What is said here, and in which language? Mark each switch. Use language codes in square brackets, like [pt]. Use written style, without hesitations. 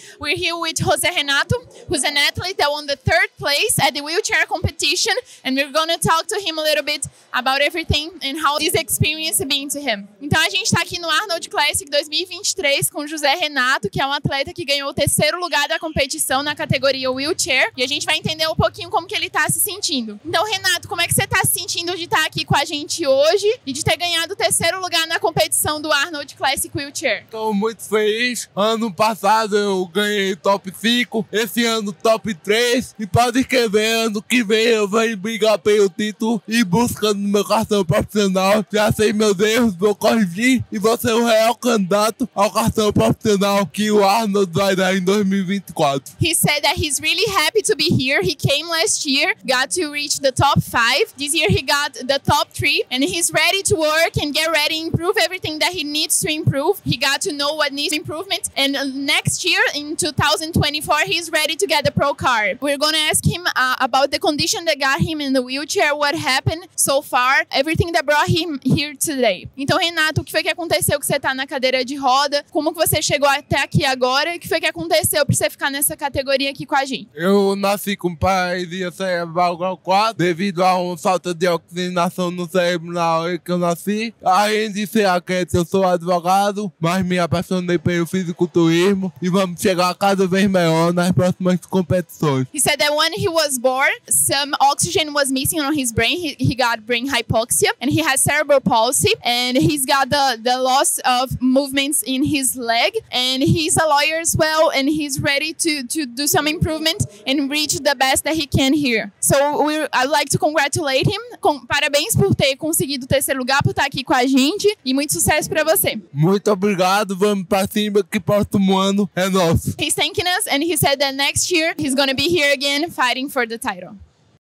[en] We're here with Jose Renato, who's an athlete that won the third place at the wheelchair competition. And we're going to talk to him a little bit about everything and how this experience has been to him. [pt] Então a gente está aqui no Arnold Classic 2023 com José Renato, que é um atleta que ganhou o terceiro lugar da competição na categoria wheelchair. E a gente vai entender um pouquinho como que ele está se sentindo. Então, Renato, como é que você está se sentindo de estar aqui com a gente hoje e de ter ganhado o terceiro lugar na competição do Arnold Classic Wheelchair? Estou muito feliz. Ano passado eu ganhei top 5, esse ano top 3. E pode escrever, ano que vem eu vou brigar pelo título e buscando no meu cartão profissional. Já sei meus erros, vou corrigir e vou ser o real candidato ao cartão profissional que o Arnold vai dar em 2024. [en] He said that he's really happy to be here. He came last year, got to reach the top 5. This year he got the top 3 and he's ready to work and get ready, improve everything that he needs to improve. He got to know what needs improvement, and next year in 2024 he's ready to get the pro card. We're gonna ask him about the condition that got him in the wheelchair, what happened so far, everything that brought him here today. [pt] Então, Renato, o que foi que aconteceu que você tá na cadeira de roda? Como que você chegou até aqui agora? O que foi que aconteceu para você ficar nessa categoria aqui com a gente? Eu nasci com paralisia cerebral grau 4, devido a uma falta de oxigenação no cérebro na hora que eu nasci. Além de ser atleta, eu sou advogado, mas me apaixonei pelo fisiculturismo e vamos chegar cada vez melhor nas próximas competições. [en] He said that when he was born, some oxygen was missing on his brain. He got brain hypoxia and he has cerebral palsy and he's got the loss of movements in his leg, and he's a lawyer as well, and he's ready to do some improvement and reach the best that he can here. So I'd like to congratulate him. [pt] Parabéns por ter conseguido o terceiro lugar, por estar aqui com a gente, e muito sucesso para você. Muito obrigado, vamos para cima que próximo ano é nosso. [en] He's thanking us and he said that next year he's gonna be here again fighting for the title.